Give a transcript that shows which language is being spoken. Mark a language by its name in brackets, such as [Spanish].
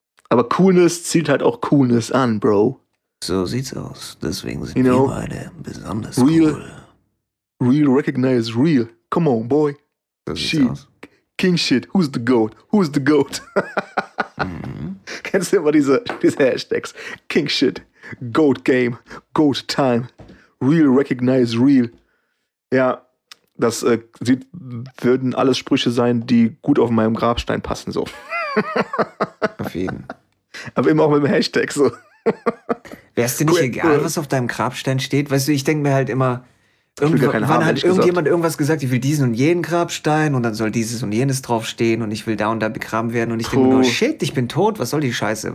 [German] Aber Coolness zieht halt auch Coolness an, Bro. So sieht's aus. Deswegen sind wir beide besonders real, cool. [English] Real recognize real. Come on, boy. [German] So sieht's aus. [English] King shit, who's the goat? Who's the goat? [German] Kennst du immer diese Hashtags? [English] King shit, goat game, goat time, real recognize real. [German] Ja, das würden alles Sprüche sein, die gut auf meinem Grabstein passen, so. Auf jeden. Aber immer auch mit dem Hashtag, so. Wär's dir nicht egal, was auf deinem Grabstein steht? Weißt du, ich denke mir halt immer, irgendjemand hat irgendwas gesagt, ich will diesen und jenen Grabstein und dann soll dieses und jenes draufstehen und ich will da und da begraben werden und ich denke nur, shit, ich bin tot, was soll die Scheiße?